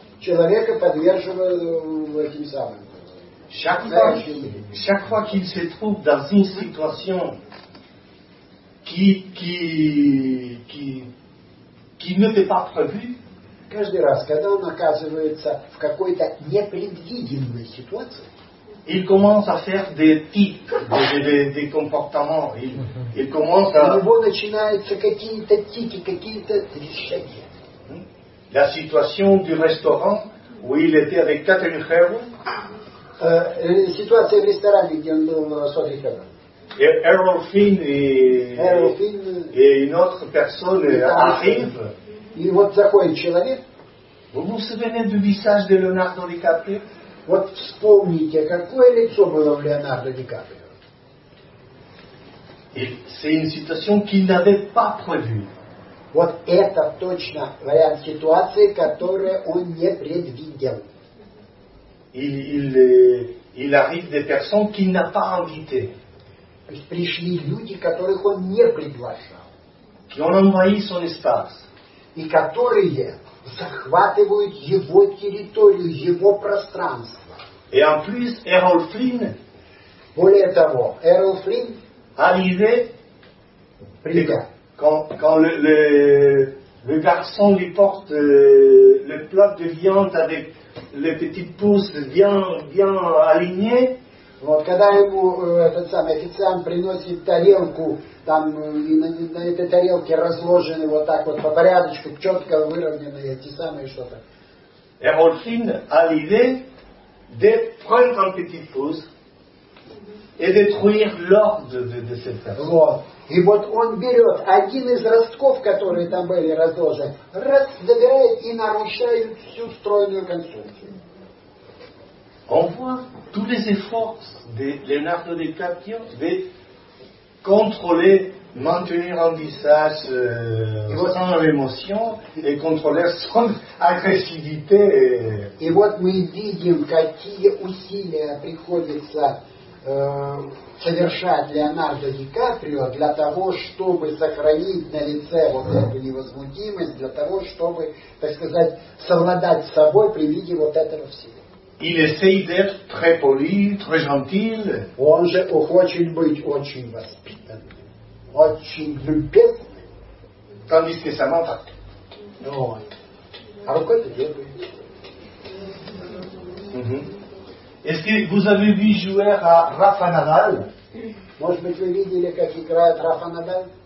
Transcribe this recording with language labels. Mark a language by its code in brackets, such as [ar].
[ru] Человека подвержен этим самым. [fr] Chaque fois qu'il se trouve dans une situation qui n'était pas prévue, [ru] каждый раз, когда он оказывается в какой-то непредвиденной ситуации, [fr] il commence à faire des tics, des comportements. Il commence à... [ru] У него начинаются какие-то тики, какие-то движения. [fr] La situation du restaurant où il était avec Catherine Hepburn. [ru] Ситуация в ресторане, где он был с Одри Хепберн. [fr] Errol Flynn et une autre personne arrive. [ru] И вот такой человек. [fr] Vous vous souvenez du visage de Leonardo DiCaprio? [ru] Вот вспомните, какое лицо было в Леонардо Ди Каприо. [fr] Et c'est une situation qu'il n'avait pas prévue. [ru] Вот это точно вариант ситуации, которую он не предвидел. [fr] Il arrive des personnes qu'il n'a pas invitées. [ru] То есть пришли люди, которых он не приглашал. [fr] Qui ont envahi son espace. [ru] И которые захватывают его территорию, его пространство. [fr] Et en plus, Errol Flynn. [ru] Более того, Errol Flynn. [fr] Arrivé. [ru] Привет. [fr] Quand le garçon lui porte le plat de viande avec les petites pousses bien alignées. [ru] Вот когда ему этот самый официант приносит тарелку, там на этой тарелке разложены вот так вот по порядочку, четко выровненные эти самые что-то. [fr] Errol Flynn a l'idée de prendre un petit pouce et détruire l'ordre de cette personne. [ru] Вот. И вот он берет один из ростков, которые там были разложены, раз, забирает и нарушает всю стройную конструкцию. [fr] On voit tous les efforts de Leonardo DiCaprio de contrôler, maintenir un visage sans l'émotion et contrôler son agressivité. [ru] И вот мы видим, какие усилия приходится совершать Леонардо Ди Каприо для того, чтобы сохранить на лице вот эту невозмутимость, для того, чтобы, так сказать, совладать с собой при виде вот этого всего. [fr] Il essaye d'être très poli, très gentil. [ru] Он же хочет быть очень воспитанным, очень любезным. [fr] Tandis que ça m'en fait. [ru] Ой. А рукой ты делаешь? [fr] Est-ce que vous avez vu jouer à Rafa Nadal? [ru] Может быть, вы видели, как играет Рафа Надал?